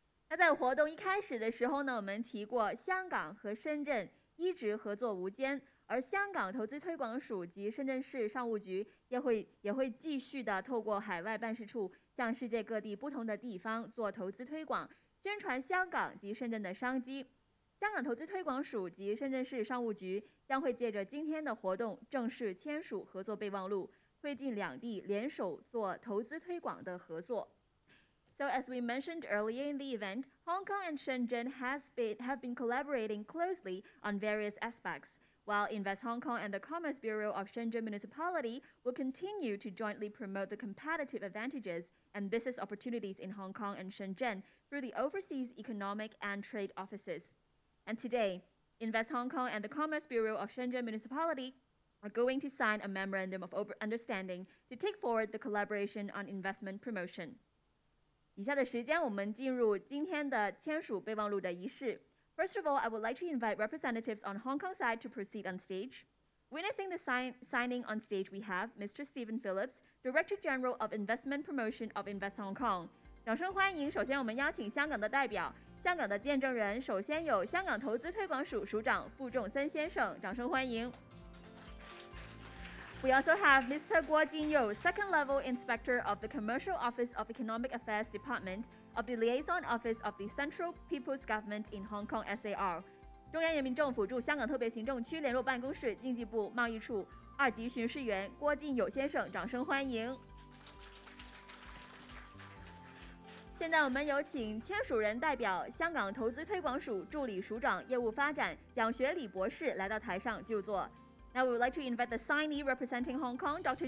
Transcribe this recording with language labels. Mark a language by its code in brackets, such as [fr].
[zh] 那在活动一开始的时候呢，我们提过香港和深圳一直合作无间，而香港投资推广署及深圳市商务局也会继续的透过海外办事处向世界各地不同的地方做投资推广，宣传香港及深圳的商机。香港投资推广署及深圳市商务局将会借着今天的活动正式签署合作备忘录，推进两地联手做投资推广的合作。 [en] So as we mentioned earlier in the event, Hong Kong and Shenzhen have been collaborating closely on various aspects, while Invest Hong Kong and the Commerce Bureau of Shenzhen Municipality will continue to jointly promote the competitive advantages and business opportunities in Hong Kong and Shenzhen through the overseas economic and trade offices. And today, Invest Hong Kong and the Commerce Bureau of Shenzhen Municipality are going to sign a memorandum of understanding to take forward the collaboration on investment promotion. [zh] 以下的时间我们进入今天的签署备忘录的仪式。 [en] First of all, I would like to invite representatives on Hong Kong side to proceed on stage. Witnessing the signing on stage, we have Mr. Stephen Phillips, Director General of Investment Promotion of Invest Hong Kong. [zh] 掌声欢迎，首先我们邀请香港的代表，香港的见证人，首先有香港投资推广署署长傅仲森先生，掌声欢迎。 [en] We also have Mr. Guo Jingyou, Second Level Inspector of the Commercial Office of Economic Affairs Department of the Liaison Office of the Central People's Government in Hong Kong SAR. [zh] 中央人民政府驻香港特别行政区联络办公室经济部贸易处二级巡视员郭进友先生，掌声欢迎。现在我们有请签署人代表香港投资推广署助理署长业务发展蒋学礼博士来到台上就座。 [en] Now we would like to invite the signee representing Hong Kong, Dr.